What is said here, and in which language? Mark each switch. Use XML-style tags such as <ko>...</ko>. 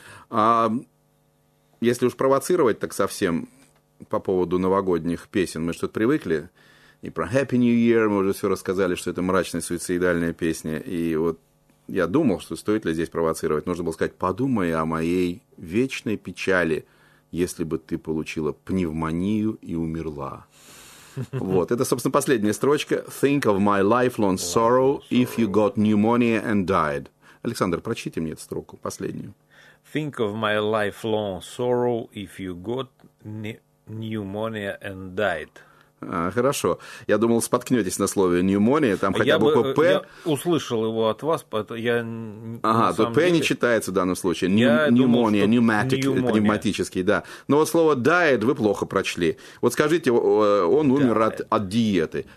<ru>А если уж провоцировать так совсем по поводу новогодних песен, мы что-то привыкли, и про Happy New Year мы уже все рассказали, что это мрачная суицидальная песня. И вот я думал, что стоит ли здесь провоцировать. Нужно было сказать, подумай о моей вечной печали, если бы ты получила пневмонию и умерла. Вот, это, собственно, последняя строчка.</ru> <en>Think of my lifelong sorrow if you got pneumonia and died.</en> <ru>Александр, прочтите мне эту строку, последнюю.</ru> <en>Think of my lifelong sorrow if you got pneumonia and died.</en> <ru>Хорошо. Я думал, споткнетесь на слове «пневмония», там хотя бы П. Я услышал его от вас, поэтому я... Ага, то «П» не читается в данном случае. «Пневмония», «пневматик», «пневматический», да. Но вот слово «died» вы плохо прочли. Вот скажите, он умер от диеты.</ru>